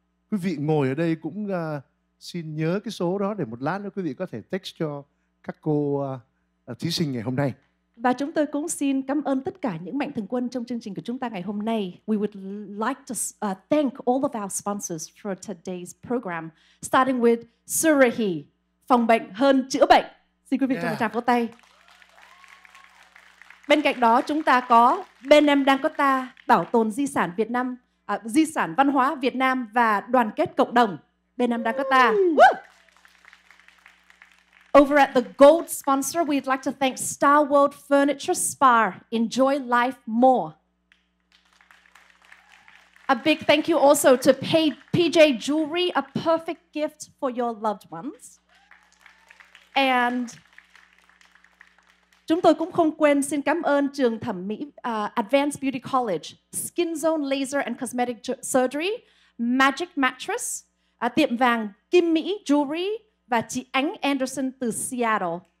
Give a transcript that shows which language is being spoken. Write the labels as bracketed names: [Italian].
[Vietnamese] Quý vị ngồi ở đây cũng xin nhớ cái số đó để một lát nữa quý vị có thể text cho các cô thí sinh ngày hôm nay. Và chúng tôi cũng xin cảm ơn tất cả những mạnh thường quân trong chương trình của chúng ta ngày hôm nay. [English] We would like to thank all of our sponsors for today's program, starting with Surahi, [Vietnamese] phòng bệnh hơn chữa bệnh. Xin quý vị cho một tràng vỗ tay. Bên cạnh đó chúng ta có Bên Em Đang Có Ta, bảo tồn di sản Việt Nam, di sản văn hóa Việt Nam và đoàn kết cộng đồng. Bên Em Đang Có Ta. Woo! [English] Over at the gold sponsor, we'd like to thank Star World Furniture Spa. Enjoy life more. A big thank you also to PJ Jewelry, a perfect gift for your loved ones. [Vietnamese] And chúng tôi cũng không quên xin cảm ơn trường thẩm mỹ Advanced Beauty College, Skin Zone Laser and Cosmetic Surgery, Magic Mattress, tiệm vàng Kim Mỹ Jewelry, và chị Ánh Anderson từ Seattle.